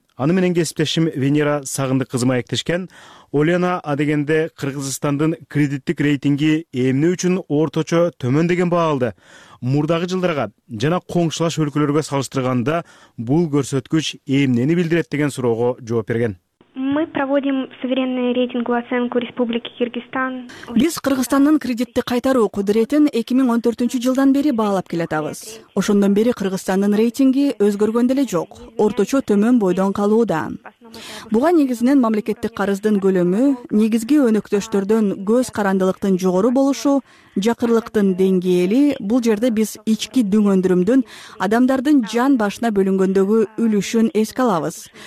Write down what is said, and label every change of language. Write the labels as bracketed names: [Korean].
[Kyrgyz] Аны менен кесиптешим Венера Сагындык кызы маектешкен. Олена, адегенде Кыргызстандын кредиттик рейтинги эмне үчүн орточо төмөн деген баа алды? Мурдагы жылдарга жана коңшулаш өлкөлөргө салыштырганда бул көрсөткүч эмнени билдирет деген суроого жооп берген. [Russian] Мы проводим суверенную рейтинговую оценку Республики Кыргызстан. [Kyrgyz] Биз Кыргызстандын кредитти кайтаруу кудуретин 2014 жылдан бери баалап келатабыз. Ошондон бери Кыргызстандын рейтинги өзгөргөн деле жок, орточо төмөн бойдон калууда. Буга негизинен мамлекеттик карыздын көлөмү, негизги өнөктөштөрдөн көз карандылыктын жогору болушу, жакырлыктын деңгээли, бул жерде биз ички дүңөндүрүмдүн адамдардын жан башына бөлүнгөндөгү үлүшүн эске алабыз.